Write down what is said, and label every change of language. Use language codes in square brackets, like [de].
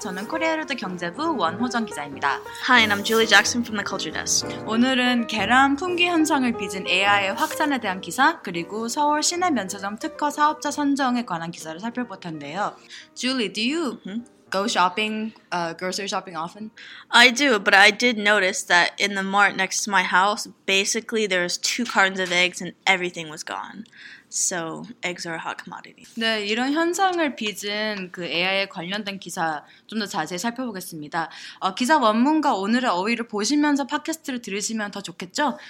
[ko] 저는 코리아헤럴드 경제부 원호정 기자입니다. [en] Hi, and I'm Julie Jackson from the Culture Desk. [ko] 오늘은 계란 품귀 현상을 빚은 AI의 확산에 대한 기사, 그리고 서울 시내 면세점 특허 사업자 선정에 관한 기사를 살펴볼 텐데요. [en] Julie, do you go shopping, grocery shopping often? I do, but I did notice that in the mart next to my house, basically there was two cartons of eggs and everything was gone. So, eggs are a hot commodity. [ko] 네, 이런 현상을 빚은 그 AI에 관련된 기사 좀 더 자세히 살펴보겠습니다. 기사 원문과 오늘의 어휘를 보시면서 팟캐스트를 들으시면 더 좋겠죠?